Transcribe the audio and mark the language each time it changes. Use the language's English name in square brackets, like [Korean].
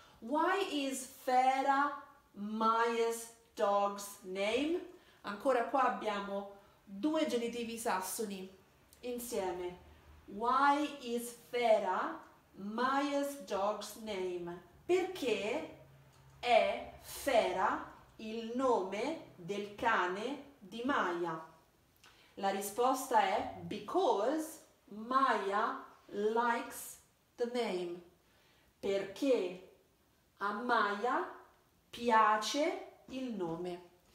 [English] Why is Fera Maya's dog's name? [Italian] Ancora qua abbiamo due genitivi sassoni insieme. [English] Why is Fera Maya's dog's name? [Italian] Perché è Fera il nome del cane di Maya? La risposta è [English] because Maya likes the name. [Italian] Perché a Maya piace il nome.